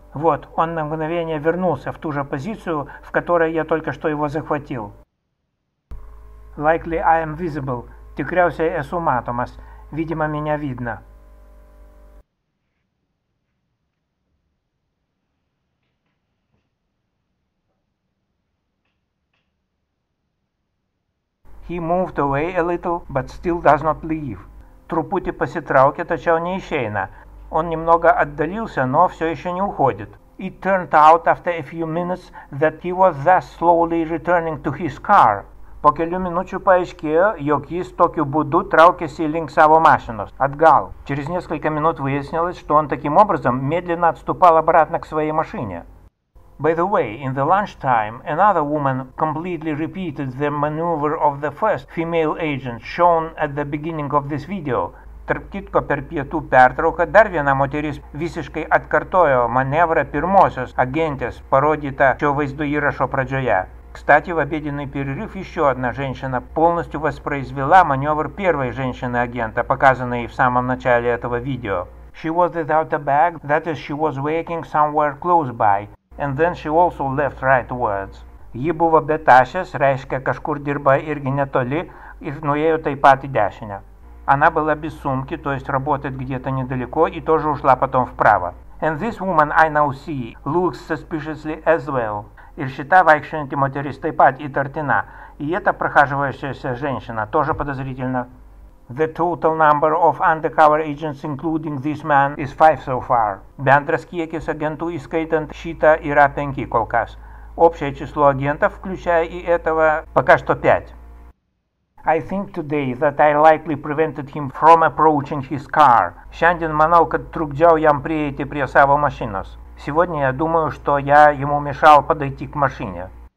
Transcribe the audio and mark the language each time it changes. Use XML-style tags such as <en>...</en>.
<ru>Вот, он на мгновение вернулся в ту же позицию, в которой я только что его захватил.</ru> <en>Likely I am visible.</en> <lt>Tikriausiai esu matomas.</lt> <ru>Видимо, меня видно.</ru> <en>He moved away a little, but still does not leave.</en> <lt>Truputį pasitraukė, tačiau neišeina.</lt> <ru>Он немного отдалился, но все еще не уходит.</ru> <en>It turned out after a few minutes that he was thus slowly returning to his car.</en> <lt>По kelių minučių paaiškėjo, jog jis tokiu būdu traukėsi link savo mašinos, atgal.</lt> <ru>Через несколько минут выяснилось, что он таким образом медленно отступал обратно к своей машине.</ru> <en>By the way, in the lunchtime, another woman completely repeated the maneuver of the first female agent shown at the beginning of this video.</en> <lt>Tarp kitko, per pietų pertrauką, dar viena moteris visiškai atkartojo manevrą pirmosios agentės, parodytą šio vaizdo įrašo pradžioje.</lt> <ru>Кстати, в обеденный перерыв еще одна женщина полностью воспроизвела маневр первой женщины-агента, показанной в самом начале этого видео.</ru> <en>She was without a bag, that is, she was working somewhere close by. And then she also left right words.</en> <lt>Ji buvo betašės, reiškia, kažkur dirba irgi netoli, ir nuėjo taip pat į dešinę.</lt> <ru>Она была без сумки, то есть работает где-то недалеко, и тоже ушла потом вправо.</ru> <en>And this woman I now see looks suspiciously as well.</en> <lt>Ir šita vaikščianti moteris taip pat įtartina.</lt> <ru>И эта прохаживающаяся женщина тоже подозрительна.</ru> <en>The total number of undercover agents, including this man, is 5 so far.</en> <lt>Bendras kiekis agentų įskaitant šitą yra 5 kol kas.</lt> <ru>Общее число агентов, включая и этого, пока что 5.</ru> <en>I think today that I likely prevented him from approaching his car.</en> <lt>Šiandien manau, kad trukdžiau jam prieiti prie savo mašinos.</lt> <ru>Сегодня я думаю, что я ему мешал подойти к машине.</ru>